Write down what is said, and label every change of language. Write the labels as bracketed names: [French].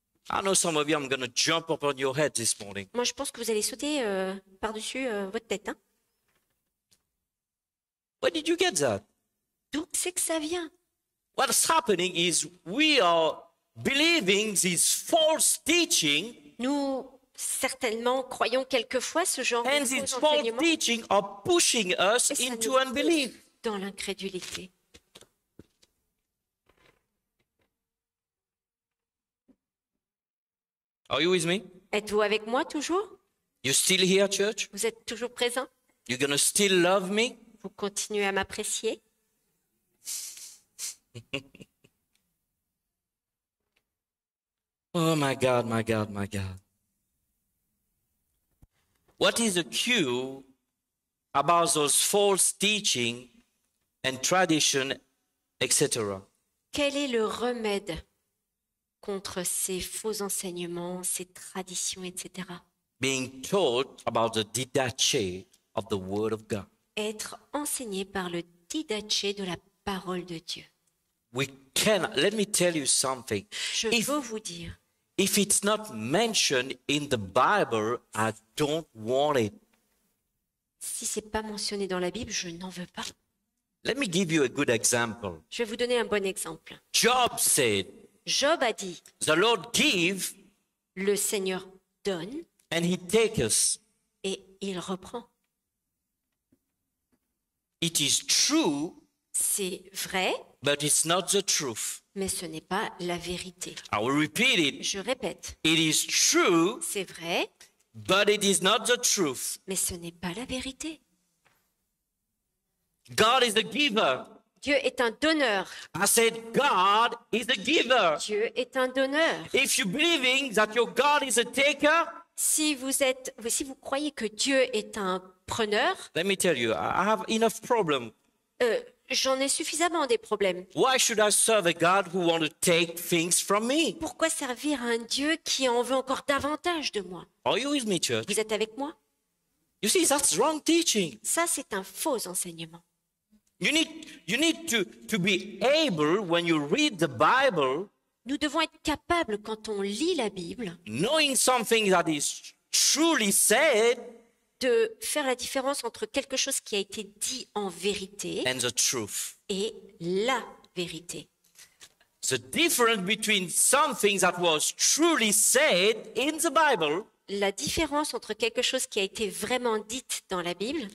[English] I know some of you, I'm going to jump up on your head this morning. [French] Moi, je pense que vous allez sauter par-dessus votre tête. Hein? [English] Where did you get that? [French] D'où c'est que ça vient? [English] What's happening is we are believing this false teaching. [French] Nous, certainement, croyons quelquefois ce genre de faux enseignement. [English] And this false teaching are pushing us into unbelief. [French] Dans l'incrédulité. [English] Are you with me? [French] Êtes-vous avec moi toujours? [English] You're still here, church? [French] Vous êtes toujours présent? [English] You're gonna still love me? [French] Vous continuez à m'apprécier? [English] Oh my God, my God, my God. What is the cue about those false teaching and tradition, etc.? [French] Quel est le remède contre ces faux enseignements, ces traditions, etc. [English] Being taught about the didache of the word of God. [French] Être enseigné par le didache de la parole de Dieu. [English] We cannot, let me tell you something. [French] Je veux vous dire. [English] If it's not mentioned in the Bible, I don't want it. [French] Si c'est pas mentionné dans la Bible, je n'en veux pas. [English] Let me give you a good example. [French] Je vais vous donner un bon exemple. [English] Job said. [French] Job a dit, [English] the Lord give, [French] le Seigneur donne, [English] and he takes. [French] Et il reprend. [English] It is true, [French] c'est vrai, [English] but it's not the truth. [French] Mais ce n'est pas la vérité. [English] I will repeat it. [French] Je répète. [English] It is true, [French] c'est vrai, [English] but it is not the truth. [French] Mais ce n'est pas la vérité. [English] God is the giver. [French] Dieu est un donneur. [English] I said God is a giver. [French] Dieu est un donneur. [English] If you're believing that your God is a taker, [French] si vous croyez que Dieu est un preneur, [English] let me tell you, I have enough problems. [French] J'en ai suffisamment des problèmes. [English] Why should I serve a God who wants to take things from me? [French] Pourquoi servir un Dieu qui en veut encore davantage de moi? [English] Are you with me, church? [French] Vous êtes avec moi? [English] You see, that's wrong teaching. [French] Ça, c'est un faux enseignement. [English] You need to be able when you read the Bible. [French] Nous devons être capables quand on lit la Bible. [English] Knowing something that is truly said. [French] De faire la différence entre quelque chose qui a été dit en vérité. [English] And the truth. [French] Et la vérité. [English] The difference between something that was truly said in the Bible, [French] la différence entre quelque chose qui a été vraiment dit dans la Bible,